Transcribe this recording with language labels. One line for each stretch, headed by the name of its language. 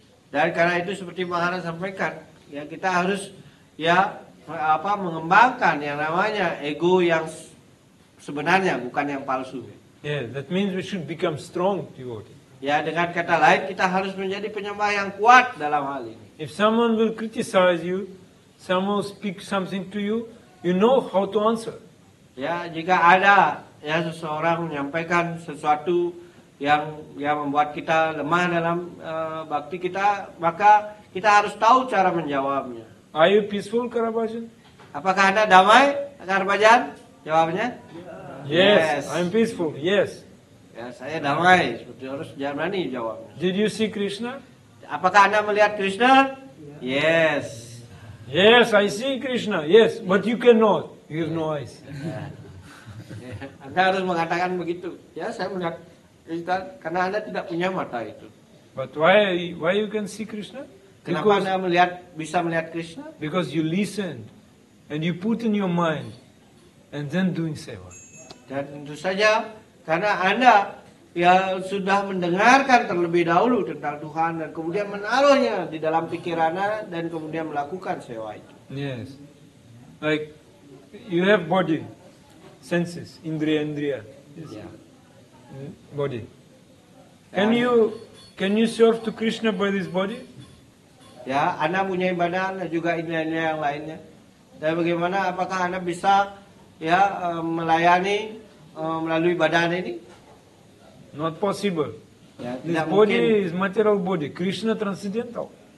Indonesian: Dan karena itu seperti Maharaj sampaikan, ya kita harus ya apa mengembangkan yang namanya ego yang sebenarnya bukan yang palsu.
English: Yeah, that means we should become strong devotee.
Indonesian: Ya, dengan kata lain kita harus menjadi penyembah yang kuat dalam hal ini.
English: If someone will criticize you, someone speak something to you, you know how to answer.
Indonesian: Ya, jika ada ya seseorang menyampaikan sesuatu yang membuat kita lemah dalam bhakti kita, maka kita harus tahu cara menjawabnya.
English: Are you peaceful, Karabajan?
Indonesian: Apakah Anda damai, Karabajan? Jawabnya?
English: Yes, I'm peaceful. Yes.
Indonesian: Ya, saya damai. Seperti harus jarmani jawabnya.
English: Did you see Krishna?
Indonesian: Apakah Anda melihat Krishna? Yes.
English: Yes, I see Krishna. Yes, but you cannot. You have no eyes.
Indonesian: Anda harus mengatakan begitu. Ya, saya melihat Krishna karena Anda tidak punya mata itu.
English: But why you can see Krishna?
Indonesian: Kenapa Anda bisa melihat Krishna?
English: Because you listened and you put in your mind and then doing seva.
Indonesian: Dan tentu saja karena Anda ya sudah mendengarkan terlebih dahulu tentang Tuhan dan kemudian menaruhnya di dalam pikirannya dan kemudian melakukan sewa itu.
English: Yes, like you have body, senses, indriya. Yeah. Body. Can you serve to Krishna by this body?
Indonesian: Ya, Anda punya badan dan juga indriya yang lainnya. Dan bagaimana? Apakah Anda bisa ya melayani melalui badan ini?
English: Not possible. Ya, this body mungkin. Is material body, Krishna transcendental.